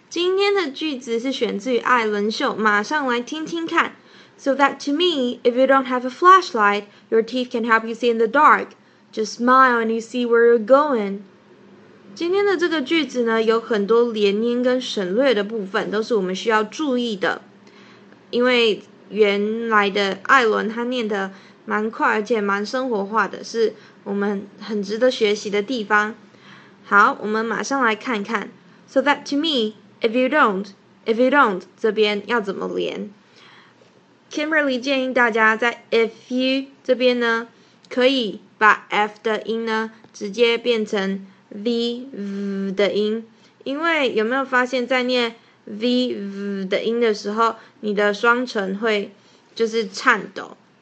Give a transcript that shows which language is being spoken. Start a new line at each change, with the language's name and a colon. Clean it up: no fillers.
Chinese: 今天的句子是选自于《艾伦秀》，马上来听听看。
English: So that to me, if you don't have a flashlight, your teeth can help you see in the dark. Just smile and you see where you're going.
Chinese: 今天的这个句子呢，有很多连音跟省略的部分，都是我们需要注意的。因为原来的艾伦他念的蛮快，而且蛮生活化的，是我们很值得学习的地方。好，我们马上来看看。
English: So that to me, if you don't,
Chinese: 这边要怎么连？ Kimberly 建议大家在 if you 这边呢，可以把 f 的音呢直接变成 v 的音，因为有没有发现，在念 v 的音的时候，你的双唇会就是颤抖。